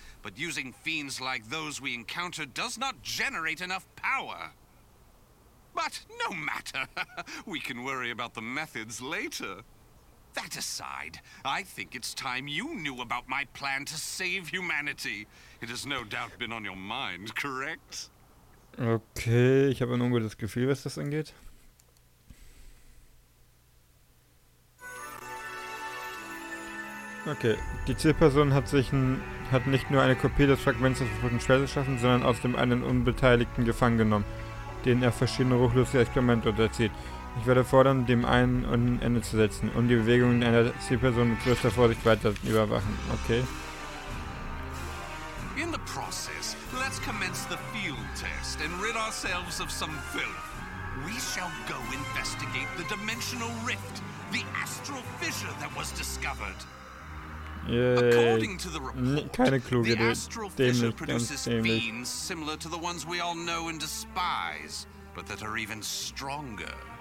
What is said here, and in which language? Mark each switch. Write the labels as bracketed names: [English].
[English] But using fiends like those we encounter does not generate enough power. But no matter. We can worry about the methods later. That aside, I think it's time you knew about my plan to save humanity. It has no doubt been on your mind, correct? [German] Okay, ich habe ein ungutes Gefühl, was das angeht. Okay, die Zielperson hat nicht nur eine Kopie des Fragments des verbotenen Schwertes geschaffen, sondern außerdem einen Unbeteiligten gefangen genommen, den er verschiedene ruchlose Experimente unterzieht. Ich werde fordern, dem einen ein Ende zu setzen und die Bewegungen einer Zielperson mit größter Vorsicht weiter überwachen. Okay. [English] In the process, let's commence the field test and rid ourselves of some filth. We shall go investigate the dimensional rift, the astral fissure that was discovered. According to the report, the astral fissure produces fiends similar to the ones we all know and despise, but that are even stronger.